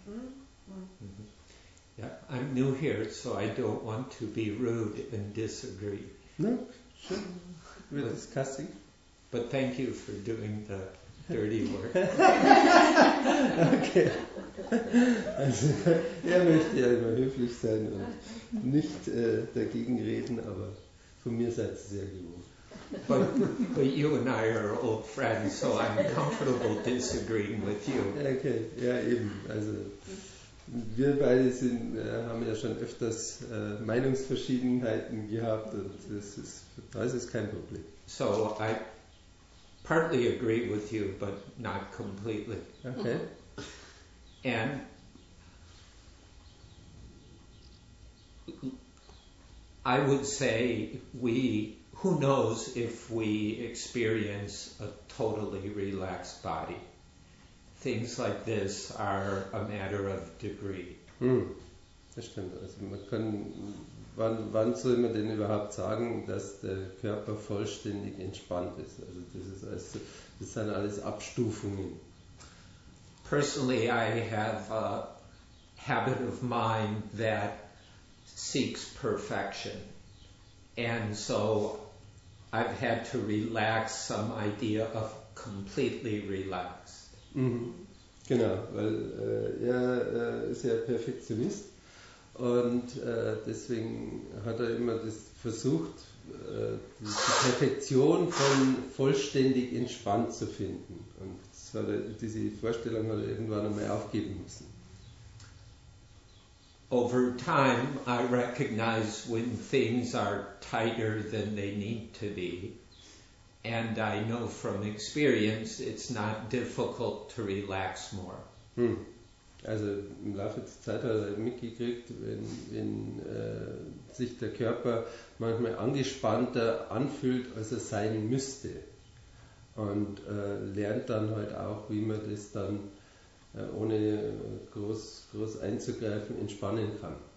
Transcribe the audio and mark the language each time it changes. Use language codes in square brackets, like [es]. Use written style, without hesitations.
[en] Mm-hmm. Yeah, I'm new here, so I don't want to be rude and disagree. No, sure. We're discussing. But thank you for doing the dirty work. Okay. [de] Also, möchte ja immer höflich sein und nicht dagegen reden, aber von mir seid ihr sehr gewohnt. [en] But you and I are old friends, so I'm comfortable disagreeing with you. [de] Okay, ja eben. Also wir beide sind, haben ja schon öfters Meinungsverschiedenheiten gehabt, und das ist kein Problem. [en] So I partly agree with you, but not completely. Okay. And I would say we. Who knows if we experience a totally relaxed body? Things like this are a matter of degree. [de] Hm. Das stimmt. Also man kann, wann soll man denn überhaupt sagen, dass der Körper vollständig entspannt ist? Also das sind alles Abstufungen. [en] Personally, I have a habit of mind that seeks perfection. And so I've had to relax some idea of completely relaxed. Mm-hmm. [de] Genau, weil ist ja Perfektionist, und deswegen hat immer das versucht, die Perfektion von vollständig entspannt zu finden. Und diese Vorstellung hat irgendwann einmal aufgeben müssen. [en] Over time, I recognize when things are tighter than they need to be, and I know from experience it's not difficult to relax more. Hm. [de] Also im Laufe der Zeit hat er mitgekriegt, wenn sich der Körper manchmal angespannter anfühlt, als er sein müsste. Und lernt dann halt auch, wie man das dann ohne groß einzugreifen entspannen kann.